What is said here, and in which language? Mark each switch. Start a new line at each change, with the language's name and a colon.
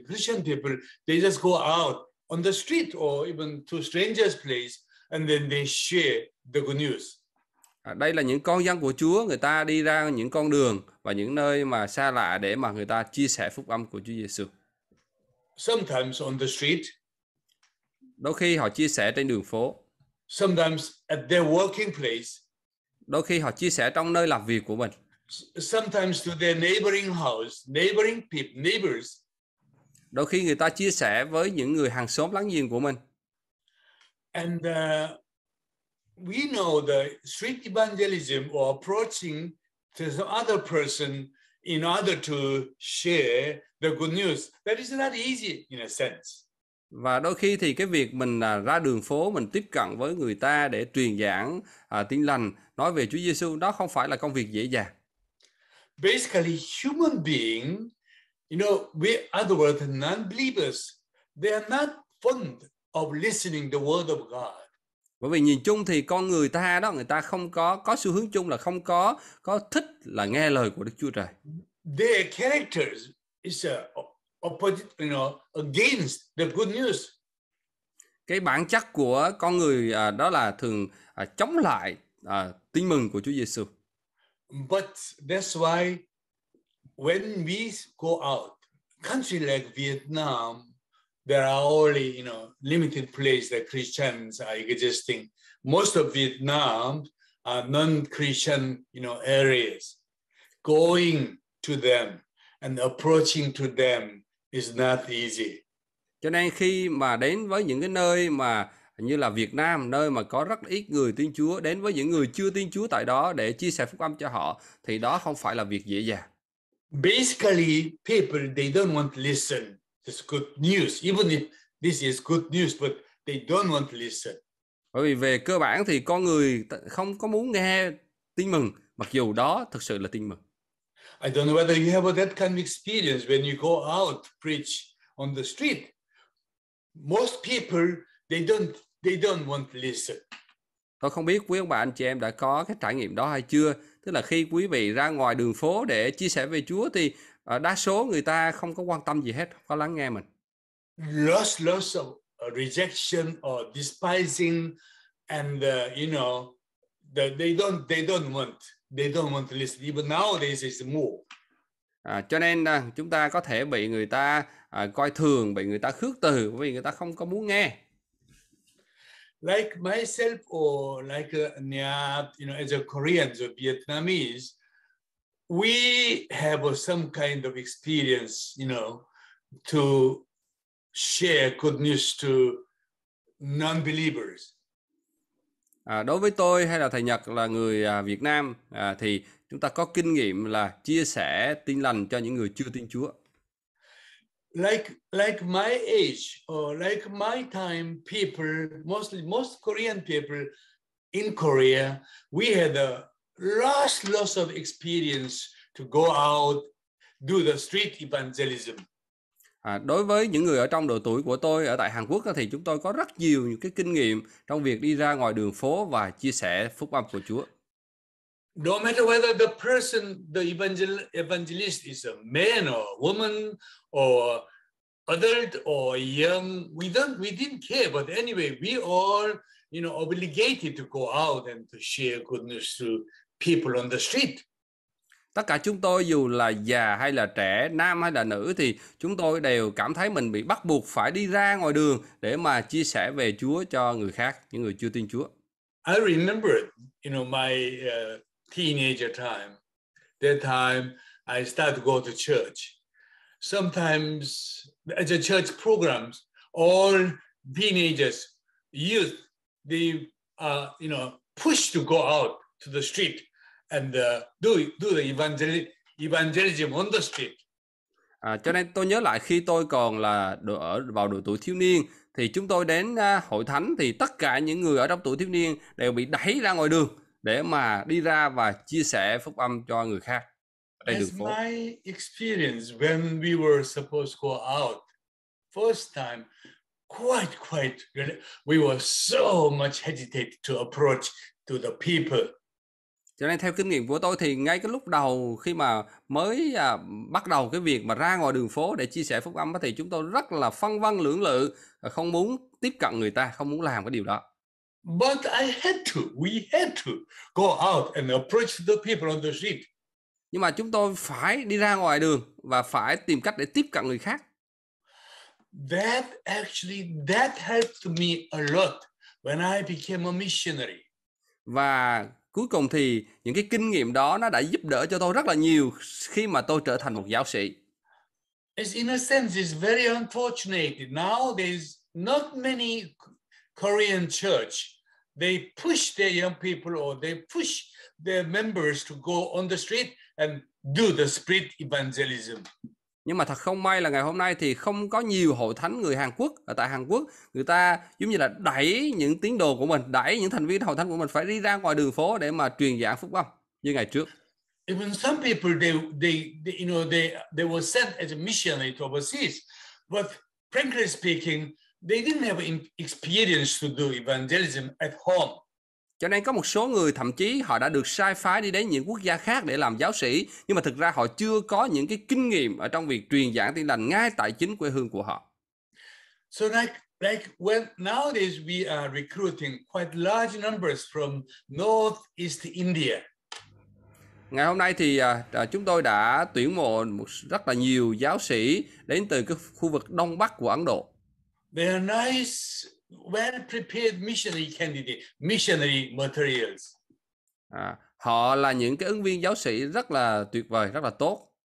English: Christian people, they just go out on the street or even to strangers' place and then they share the good news.
Vietnamese: Đây là những con dân của Chúa, người ta đi ra những con đường và những nơi mà xa lạ để mà người ta chia sẻ phúc âm của Chúa Giêsu.
English: Sometimes on the street.
Vietnamese: Đôi khi họ chia sẻ trên đường phố.
English: Sometimes at their working place.
Vietnamese: Đôi khi họ chia sẻ trong nơi làm việc của mình.
English: Sometimes to their neighboring house, neighboring people, neighbors.
Vietnamese: Đôi khi người ta chia sẻ với những người hàng xóm láng giềng của mình.
English: And we know the street evangelism or approaching to some other person in order to share the good news. That is not easy in a sense.
Vietnamese: Và đôi khi thì cái việc mình ra đường phố, mình tiếp cận với người ta để truyền giảng tin lành, nói về Chúa Giêsu, đó không phải là công việc dễ dàng.
English: Basically, human being, you know, we other words, non-believers, they are not fond of listening the word of God.
Vietnamese: Bởi vì nhìn chung thì con người ta đó, người ta không có, có xu hướng chung là không có, có thích là nghe lời của Đức Chúa Trời.
English: Their characters is a opposite, you know, against the good news.
Vietnamese: Cái bản chất của con người đó là thường chống lại tin mừng của Chúa Giêsu.
English: But that's why when we go out, country like Vietnam, there are only, you know, limited place that Christians are existing. Most of Vietnam are non-Christian, you know, areas. Going to them and approaching to them is not easy.
Vietnamese: Cho nên khi mà đến với những cái nơi mà như là Việt Nam, nơi mà có rất ít người tin Chúa, đến với những người chưa tin Chúa tại đó để chia sẻ phúc âm cho họ, thì đó không phải là việc dễ dàng.
English: Basically, people, they don't want to listen this good news. Even if this is good news, but they don't want to listen.
Vietnamese: Bởi vì về cơ bản thì con người không có muốn nghe tin mừng, mặc dù đó thực sự là tin mừng.
English: I don't know whether you have that kind of experience when you go out to preach on the street. Most people, they don't want to listen.
Vietnamese: Tôi không biết quý ông bà anh chị em đã có cái trải nghiệm đó hay chưa. Tức là khi quý vị ra ngoài đường phố để chia sẻ về Chúa thì đa số người ta không có quan tâm gì hết, không có lắng nghe mình.
English: Lots of rejection or despising, and you know, they don't want to listen. Even nowadays it's more.
Vietnamese: Cho nên chúng ta có thể bị người ta coi thường, bị người ta khước từ vì người ta không có muốn nghe.
English: Like myself or like Nyat, you know, as a Koreans or Vietnamese, we have some kind of experience, you know, to share good news to non-believers.
Vietnamese: Đối với tôi hay là thầy Nhật là người Việt Nam thì chúng ta có kinh nghiệm là chia sẻ tin lành cho những người chưa tin Chúa.
English: Like my age or like my time, people, most Korean people in Korea, we had a loss of experience to go out, do the street evangelism.
Vietnamese: Đối với những người ở trong độ tuổi của tôi ở tại Hàn Quốc thì chúng tôi có rất nhiều những cái kinh nghiệm trong việc đi ra ngoài đường phố và chia sẻ phúc âm của Chúa.
English: No matter whether the person, the evangelist is a man or a woman or adult or young, we didn't care. But anyway, we all, you know, obligated to go out and to share good news to people on the street.
Vietnamese: Tất cả chúng tôi dù là già hay là trẻ, nam hay là nữ thì chúng tôi đều cảm thấy mình bị bắt buộc phải đi ra ngoài đường để mà chia sẻ về Chúa cho người khác, những người chưa tin Chúa.
English: I remember, you know, my teenager time, that time I started to go to church. Sometimes as a church programs, all teenagers, youth, they you know, push to go out to the street and do the evangelism on the street.
Vietnamese: Cho nên tôi nhớ lại khi tôi còn là vào độ tuổi thiếu niên thì chúng tôi đến hội thánh thì tất cả những người ở trong tuổi thiếu niên đều bị đẩy ra ngoài đường để mà đi ra và chia sẻ phúc âm cho người khác.
English: My experience when we were supposed to go out first time, quite we were so much hesitated to approach to the people.
Vietnamese: Cho nên theo kinh nghiệm của tôi thì ngay cái lúc đầu khi mà mới bắt đầu cái việc mà ra ngoài đường phố để chia sẻ phúc âm thì chúng tôi rất là phân vân lưỡng lự, không muốn tiếp cận người ta, không muốn làm cái điều đó.
English: But I had to, we had to go out and approach the people on the street.
Vietnamese: Nhưng mà chúng tôi phải đi ra ngoài đường và phải tìm cách để tiếp cận người khác.
English: That actually, that helped me a lot when I became a missionary.
Vietnamese: Và cuối cùng thì những cái kinh nghiệm đó nó đã giúp đỡ cho tôi rất là nhiều khi mà tôi trở thành một giáo sĩ.
English: It's in a sense, it's very unfortunate. Now there's not many Korean church. They push their young people or they push their members to go on the street and do the spirit evangelism.
Vietnamese: Nhưng mà thật không may là ngày hôm nay thì không có nhiều hội thánh người Hàn Quốc ở tại Hàn Quốc. Người ta giống như là đẩy những tín đồ của mình, đẩy những thành viên hội thánh của mình phải đi ra ngoài đường phố để mà truyền giảng phúc âm như ngày trước.
English: Even some people, they were sent as a missionary to overseas. But frankly speaking, they didn't have experience to do evangelism at home.
Vietnamese: Cho nên có một số người thậm chí họ đã được sai phái đi đến những quốc gia khác để làm giáo sĩ, nhưng mà thực ra họ chưa có những cái kinh nghiệm ở trong việc truyền giảng tin lành ngay tại chính quê hương của họ.
English: So like when nowadays we are recruiting quite large numbers from Northeast India.
Vietnamese: Ngày hôm nay thì chúng tôi đã tuyển mộ rất là nhiều giáo sĩ đến từ cái khu vực Đông Bắc của Ấn Độ.
English: They are nice, well-prepared missionary candidate, missionary materials.
Vietnamese: À, họ là những cái ứng viên giáo sĩ rất là tuyệt vời, rất là tốt.